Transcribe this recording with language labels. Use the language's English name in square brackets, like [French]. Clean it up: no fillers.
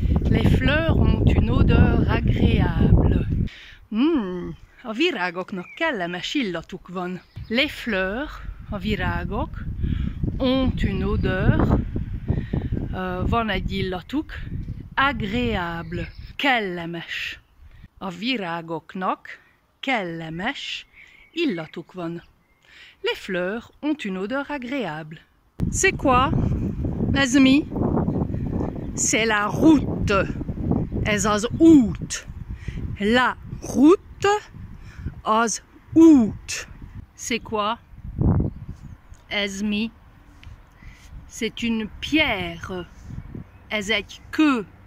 [French] Les fleurs ont une odeur agréable. [Hungarian] A virágoknak kellemes illatuk van. [French] Les fleurs, [Hungarian] a virágok, [French] ont une odeur, [Hungarian] van egy illatuk, [French] agréable, kellemes. [Hungarian] A virágoknak kellemes illatuk van. [French] Les fleurs ont une odeur agréable. C'est quoi, [Hungarian] Azmi? [French] C'est la route. [Hungarian] Ez az út. [French] La route [Hungarian] az út. [French] C'est quoi? [Hungarian] Ezmi. [French] C'est une pierre. [Hungarian] Ez egy kő.